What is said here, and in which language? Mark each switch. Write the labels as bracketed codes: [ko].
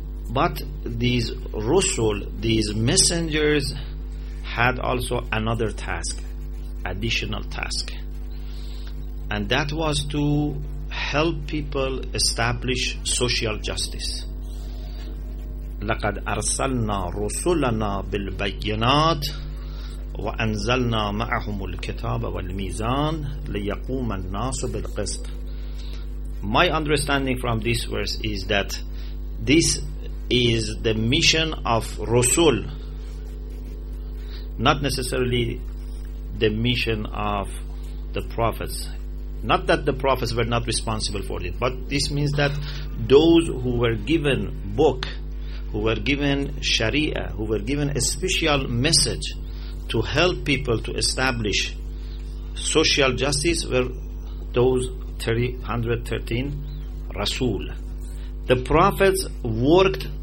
[en] but these rusul, these messengers, had also another task, additional task, and that was to help people establish social justice. [ar] لقد أرسلنا رسلنا بالبينات وأنزلنا معهم الكتاب والميزان ليقوم الناس بالقسط. [en] My understanding from this verse is that this is the mission of Rasul, not necessarily the mission of the prophets. Not that the prophets were not responsible for it, but this means that those who were given book, who were given Sharia, who were given a special message to help people to establish social justice, were those 313 Rasul. The prophets worked